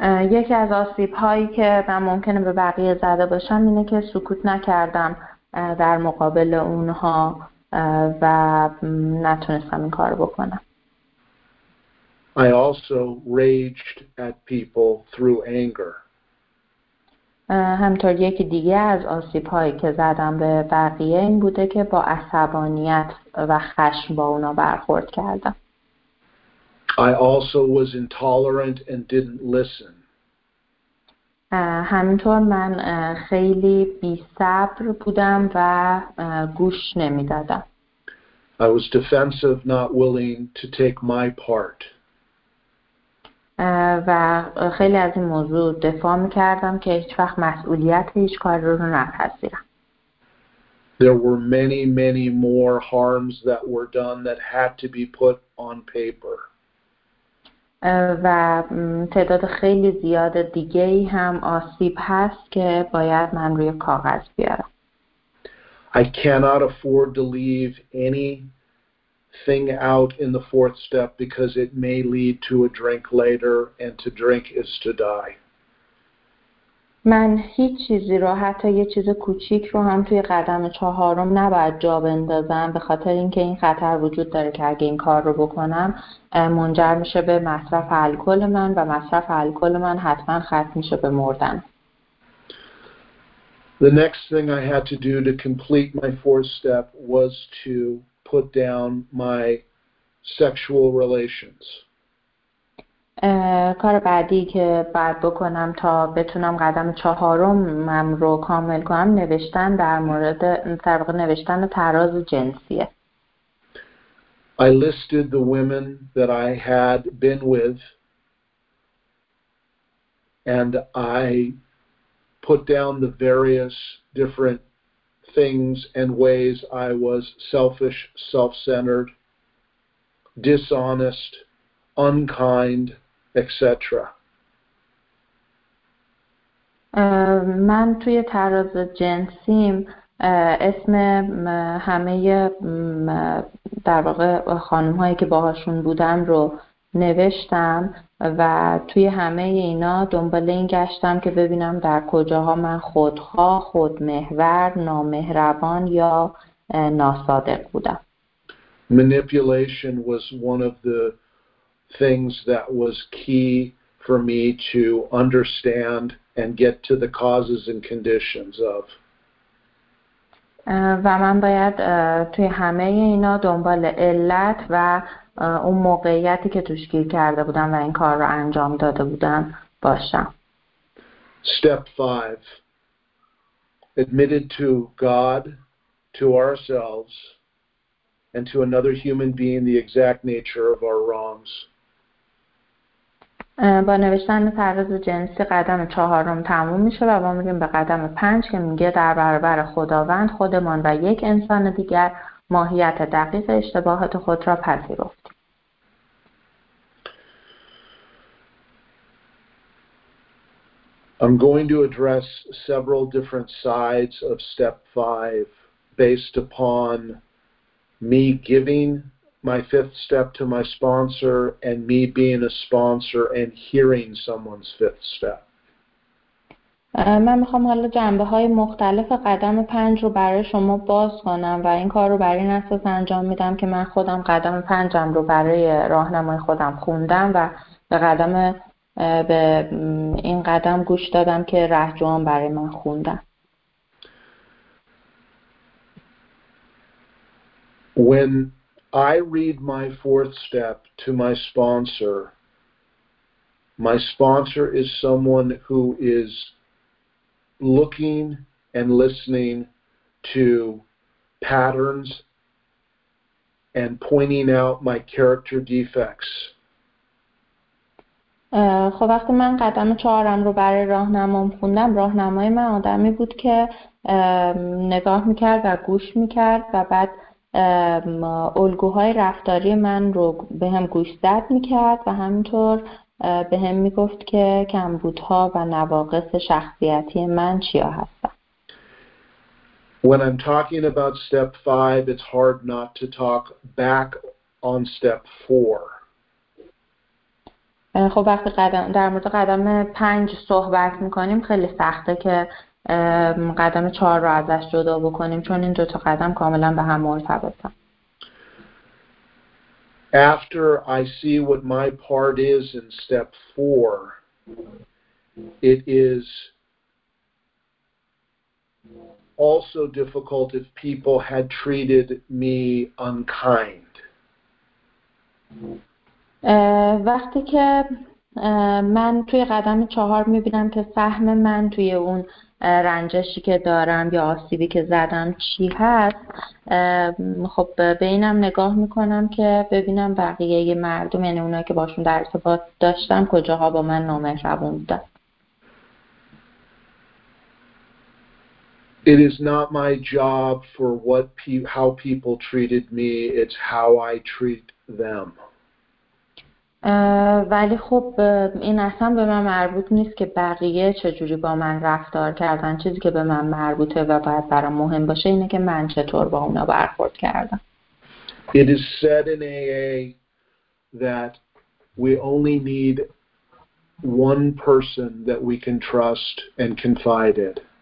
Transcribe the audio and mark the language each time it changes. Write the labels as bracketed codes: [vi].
[fa] یکی از آسیب هایی که من ممکنه به بقیه زده باشم اینه که سکوت نکردم در مقابل اونها و نتونستم این کار بکنم. [en] I also raged at people through anger. [fa] همطور یکی دیگه از آسیب هایی که زدم به بقیه این بوده که با عصبانیت و خشم با اونا برخورد کردم. [en] I also was intolerant and didn't listen. [fa] همینطور من خیلی بی‌صبر بودم و گوش نمی‌دادم. [en] I was defensive, not willing to take my part. [fa] و خیلی از این موضوع دفاع می‌کردم که هیچ وقت مسئولیت هیچ کار رو نپذیرم. [en] There were many, many more harms that were done that had to be put on paper. [fa] و تعداد خیلی زیاد دیگه ای هم آسیب هست که باید من روی کاغذ بیارم. [en] I cannot afford to leave anything out in the fourth step because it may lead to a drink later and to drink is to die. [fa] من هیچ چیزی رو حتی یه چیز کوچیک رو هم توی قدم چهارم نباید جا بندازم به خاطر اینکه این خطر وجود داره که اگه این کار رو بکنم منجر میشه به مصرف الکل من و مصرف الکل من حتما ختم میشه به مردن. [en] The next thing I had to do to complete my fourth step was to put down my sexual relations. [fa] کار بعدی که باید بکنم تا بتونم قدم چهارمم رو کامل کنم نوشتن در مورد طبق نوشتن تراز جنسیه. [en] I listed the women that I had been with and I put down the various different things and ways I was selfish, self-centered, dishonest, unkind, etc. [fa] من توی تراز جنسیم اسم همه در واقع خانم هایی که باهاشون بودم رو نوشتم و توی همه اینا دنبال این گشتم که ببینم در کجاها من خودخواه، خودمحور، نامهربان یا ناصادق بودم. [en] Manipulation was one of the things that was key for me to understand and get to the causes and conditions of. [fa] و من باید توی همه اینا دنبال علت و اون موقعیتی که توش گیر کرده بودم و این کار رو انجام داده بودم باشم. [en] Step 5. Admitted to God, to ourselves, and to another human being the exact nature of our wrongs. [fa] با نوشتن تراز جنسی قدم چهارم تموم میشه و با میریم به قدم پنج که میگه در برابر خداوند خودمان و یک انسان دیگر ماهیت دقیق اشتباهات خود را پذیرفتیم. [en] I'm going to address several different sides of step 5 based upon me giving my fifth step to my sponsor and me being a sponsor and hearing someone's fifth step. [fa] من میخوام حالا جنبه‌های مختلف قدم پنج رو برای شما باز کنم و این کار رو برای این اساس انجام میدم که من خودم قدم پنجم رو برای راهنمای خودم خوندم و به این قدم گوش دادم که رهجوان برای من خوندم. [en] When I read my fourth step to my sponsor. My sponsor is someone who is looking and listening to patterns and pointing out my character defects. [fa] خب وقتی من قدم چهارم رو برای راهنمام خوندم، راهنمای من آدمی بود که نگاه میکرد و گوش میکرد و بعد الگوهای رفتاری من رو به هم گوش زد میکرد و همینطور به هم میگفت که کمبودها و نواقص شخصیتی من چیا هستن. [en] When I'm talking about step 5, it's hard not to talk back on step 4. [fa] خب وقتی در مورد قدم 5 صحبت میکنیم خیلی سخته که قدم 4 رو ازش جدا بکنیم، چون این دو تا قدم کاملا به هم مرتبطن. [en] After I see what my part is in step 4, it is also difficult if people had treated me unkind. [fa] وقتی که من توی قدم 4 میبینم که سهم من توی اون رنجشی که دارم یا آسیبی که زدم چی هست، خب به اینم نگاه میکنم که ببینم بقیه مردم، یعنی اونایی که باشون در ارتباط داشتم، کجاها با من نامهربون بودن. [en] It is not my job for what how people treated me, it's how I treat them. [fa] ولی خب این اصلا به من مربوط نیست که بقیه چجوری با من رفتار کردن. چیزی که به من مربوطه و باید برام مهم باشه اینه که من چطور با اونا برخورد کردم. [en] It is said in AA that we only need one person that we can trust and confide in.